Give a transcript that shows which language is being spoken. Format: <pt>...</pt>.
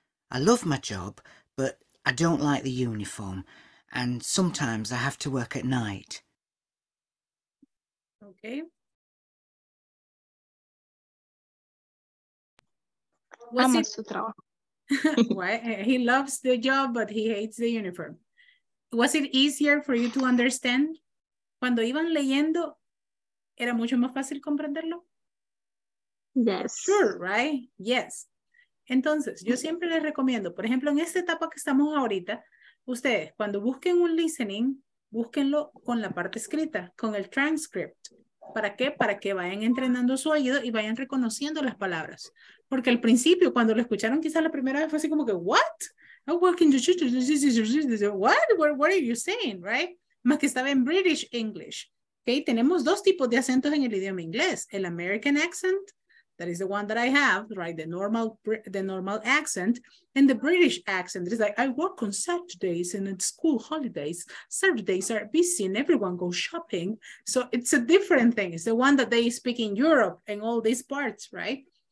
<en>I love my job, but I don't like the uniform, and sometimes I have to work at night. Okay. He loves the job, but he hates the uniform. Was it easier for you to understand?</en> <es>Cuando iban leyendo, ¿era mucho más fácil comprenderlo?</es> <en>Yes. Sure, right? Yes.</en> <es>Entonces, yo siempre les recomiendo, por ejemplo, en esta etapa que estamos ahorita, ustedes, cuando busquen un listening, búsquenlo con la parte escrita, con el transcript. ¿Para qué? Para que vayan entrenando su oído y vayan reconociendo las palabras. Porque al principio, cuando lo escucharon, quizás la primera vez fue así como que,</es> <en>what? Oh, what can you do? What are you saying, right?</en> <es>Más que estaba en</es> <en>British English.</en> <es>Okay, tenemos dos tipos de acentos en el idioma inglés.</es> <en>El American accent, that is the one that I have, right? The normal accent, and the British accent. It's like, I work on Saturdays and it's school holidays. Saturdays are busy and everyone goes shopping. So it's a different thing. It's the one that they speak in Europe and all these parts, right?</en>